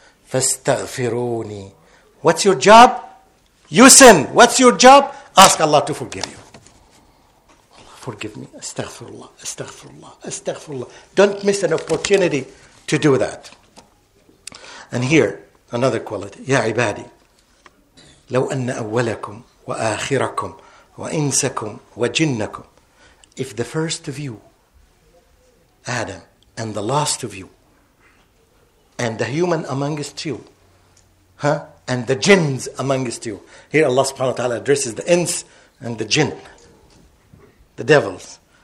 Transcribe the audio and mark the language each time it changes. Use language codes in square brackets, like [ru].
[en] فاستغفروني. What's your job? You sin. What's your job? Ask Allah to forgive you. Forgive me. Astaghfirullah. Astaghfirullah. Astaghfirullah. Don't miss an opportunity to do that. And here, another quality. [ar] Ya ibadi. لو أن أولكم وآخركم وإنسكم وجنكم. [en] If the first of you, Adam, and the last of you, and the human amongst you, huh? And the jinns amongst you. Here Allah subhanahu wa ta'ala addresses the ins and the jinn. The devils.